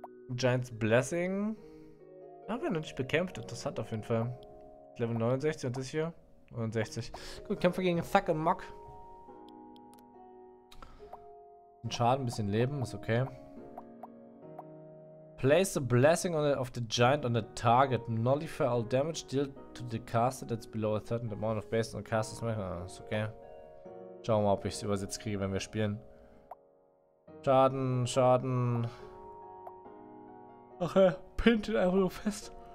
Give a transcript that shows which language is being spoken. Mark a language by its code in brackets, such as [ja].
[de] Giant's Blessing. Haben wir noch nicht bekämpft. Interessant auf jeden Fall. Level 69 und das hier. 69. Gut, kämpfe gegen Thug und Muck. Ein Schaden, ein bisschen Leben, ist okay. [en] Place the blessing on the, of the giant on the target. Nullify all damage dealt to the caster that's below a certain amount of base on the caster's maximum. [de] Ah, ist okay. Schauen wir mal, ob ich es übersetzt kriege, wenn wir spielen. Schaden, Schaden. Ach ja, pinnt ihn einfach nur fest.